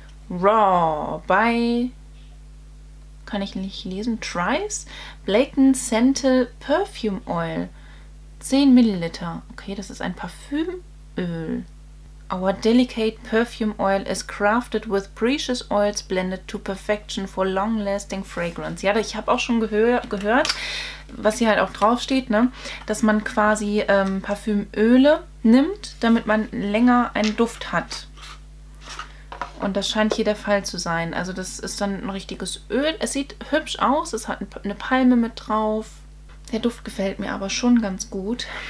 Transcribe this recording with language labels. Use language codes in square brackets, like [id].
[de] Raw bei, kann ich nicht lesen, Trice Blaken Scented Perfume Oil. 10 Milliliter. Okay, das ist ein Parfümöl. [en] Our delicate perfume oil is crafted with precious oils blended to perfection for long-lasting fragrance. [de] Ja, ich habe auch schon gehört, was hier halt auch draufsteht, ne? Dass man quasi Parfümöle nimmt, damit man länger einen Duft hat. Und das scheint hier der Fall zu sein. Also das ist dann ein richtiges Öl. Es sieht hübsch aus, es hat eine Palme mit drauf. Der Duft gefällt mir aber schon ganz gut.